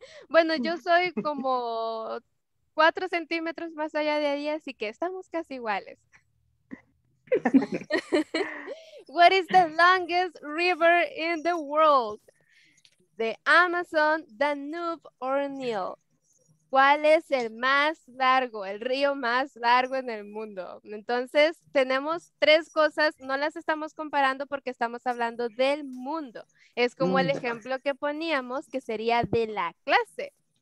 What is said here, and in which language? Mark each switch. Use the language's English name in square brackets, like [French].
[Spanish] Bueno, yo soy como 4 centímetros más allá de ahí, así que estamos casi iguales. [English] What is the longest river in the world? The Amazon, Danube, or Nile? [Spanish] ¿Cuál es el más largo, el río más largo en el mundo? Entonces, tenemos tres cosas, no las estamos comparando porque estamos hablando del mundo. Es como el ejemplo que poníamos, que sería de la clase.